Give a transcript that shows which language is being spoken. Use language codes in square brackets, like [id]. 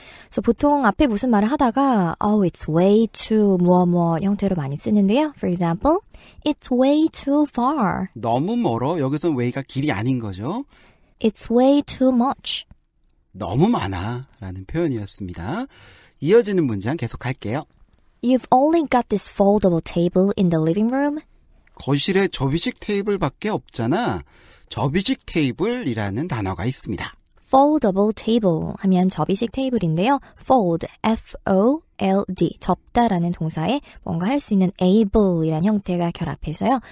[ko] 그래서 보통 앞에 무슨 말을 하다가 [en] oh, it's way too [ko] 뭐뭐 형태로 많이 쓰는데요. [en] For example, it's way too far. [ko] 너무 멀어? 여기서 way가 길이 아닌 거죠. [en] It's way too much. [ko] 너무 많아 라는 표현이었습니다. 이어지는 문장 계속 갈게요. [en] You've only got this foldable table in the living room. [ko] 거실에 접이식 테이블밖에 없잖아. 접이식 테이블이라는 단어가 있습니다. Foldable table 하면 접이식 테이블인데요. Fold, F-O-L-D, 접다라는 동사에 뭔가 할 수 있는 able이라는 형태가 결합해서요.